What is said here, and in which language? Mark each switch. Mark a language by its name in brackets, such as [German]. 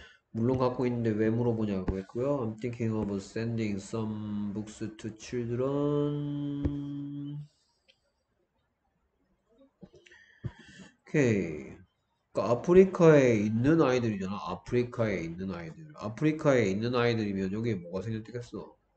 [Korean] 물론 갖고 있는데 왜 물어보냐고 했고요. [English] I'm thinking of sending some books to children. [Korean] 오케이. 그러니까 아프리카에 있는 아이들이잖아. 아프리카에 있는 아이들. 아프리카에 있는 아이들이면 여기에 뭐가 생겼겠어?